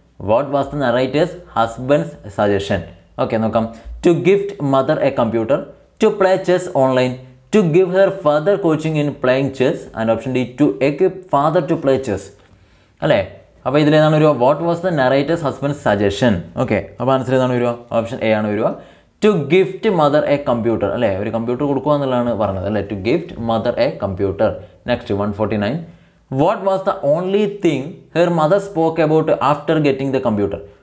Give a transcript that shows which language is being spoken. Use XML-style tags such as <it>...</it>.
<en>What was the narrator's husband's suggestion? Okay, നോക്കാം. To gift mother a computer, to play chess online, to give her further coaching in playing chess, and option D, to equip father to play chess.</en> <ml>അല്ലേ, അപ്പോൾ ഇതിലേതാണ് വരിക?</ml> <en>What was the narrator's husband suggestion.</en> <ml>Okay, അപ്പോൾ answer ഏതാണ് വരിക? Option A ആണ് വരിക.</ml> <en>To gift mother a computer.</en> <ml>അല്ലേ, ഒരു കമ്പ്യൂട്ടർ കൊടുക്കുക എന്നുള്ളതാണ് പറഞ്ഞത് അല്ലേ.</ml> <en>To gift mother a computer. Next 149. What was the only thing her mother spoke about after getting the computer?</en>